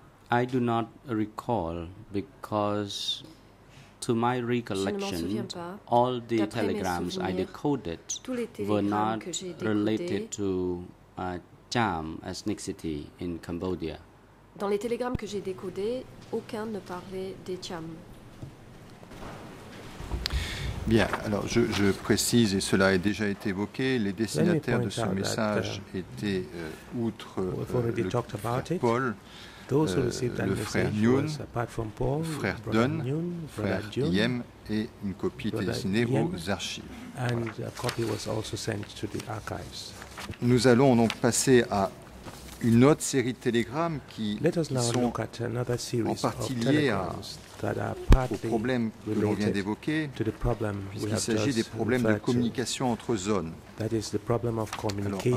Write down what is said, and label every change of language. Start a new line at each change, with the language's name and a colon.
English: I do not recall because to my recollection, all the telegrams I decoded were not related to charm ethnicity in Cambodia.
French: Dans les télégrammes que j'ai décodés, aucun ne parlait des Cham. Bien, alors je précise, et cela a déjà été évoqué, les destinataires de ce message étaient, outre Paul, le frère Nguyen, le frère Don, le frère Yem, et une copie était destinée aux archives.
English: And a copy was also sent to the archives.
French: Nous allons donc passer à une autre série de télégrammes qui sont en partie liés au problème que l'on vient d'évoquer, puisqu'il s'agit des problèmes de communication entre zones.
English: That is the problem of communication.